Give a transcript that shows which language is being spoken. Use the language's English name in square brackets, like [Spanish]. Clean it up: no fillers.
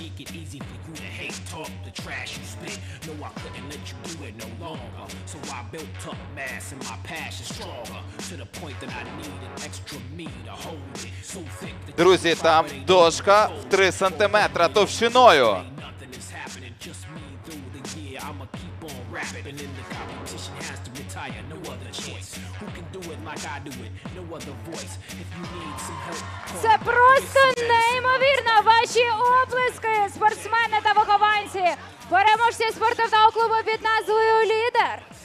[English] Hate talk the trash you spit. No, I couldn't let you do it no longer. So I built up mass and my passion stronger. To the point that I need an extra me to hold it. So thick that [Ukrainian] друзі, там дошка в 3 сантиметра товщиною. [English] Nothing is happening, just me through the year. I'ma keep on rapping and the competition has to retire. No other choice. Who can do it like I do it? No other voice. If you need some help, [Ukrainian] це просто неймовірно, ваші оплески, спортсмени та вихованці. Переможці спортивного клубу під назвою «Лідер».